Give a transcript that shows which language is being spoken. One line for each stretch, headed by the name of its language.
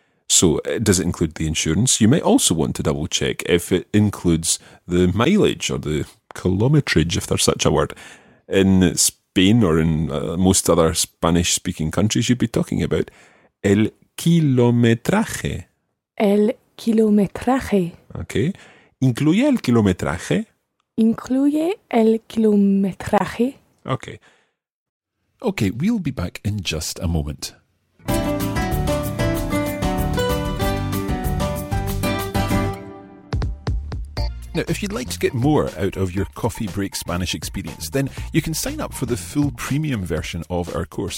English: So does it include the insurance? You may also want to double check if it includes the mileage or the kilometrage, if there's such a word, in Spanish. Spain or in most other Spanish-speaking countries, you'd be talking about el kilometraje.
Spanish: El kilometraje.
English: Okay.
Spanish: ¿Incluye el kilometraje? ¿Incluye el kilometraje?
English: Okay. Okay, we'll be back in just a moment. Now, if you'd like to get more out of your Coffee Break Spanish experience, then you can sign up for the full premium version of our course.